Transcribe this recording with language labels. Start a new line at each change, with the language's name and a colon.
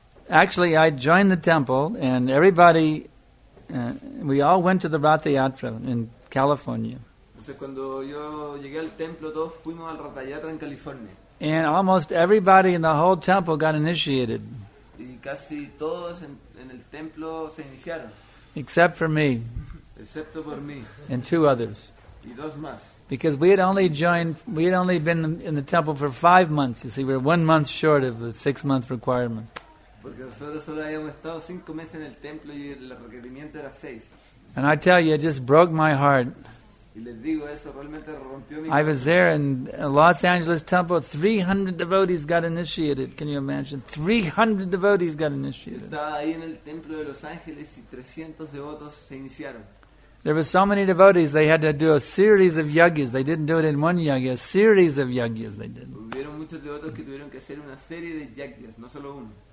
English: actually I joined the temple and everybody, we all went to the Ratha Yatra in California.
Spanish: Entonces cuando yo llegué al templo todos fuimos al Ratha Yatra en California.
English: And almost everybody in the whole temple got initiated.
Spanish: Y casi todos en el templo se iniciaron.
English: Except for me.
Spanish: Excepto por mí.
English: And two others.
Spanish: Y dos más.
English: Because we had only joined, we had only been in the temple for 5 months. You see, we were 1 month short of the 6 month requirement.
Spanish: Porque nosotros solo habíamos estado 5 meses en el templo y el requerimiento era 6.
English: And I tell you, it just broke my heart.
Spanish: Y les digo, eso realmente rompió mi
English: I was there in Los Angeles temple. 300 devotees got initiated. Can you imagine? 300 devotees got initiated.
Spanish: Estaba ahí en el templo de Los Ángeles y 300 devotos se iniciaron.
English: There were so many devotees, they had to do a series of yagyas. They didn't do it in one yagya, a series of yagyas they did.
Spanish: Hubieron muchos devotos que tuvieron que hacer una serie de yagyas, no solo uno.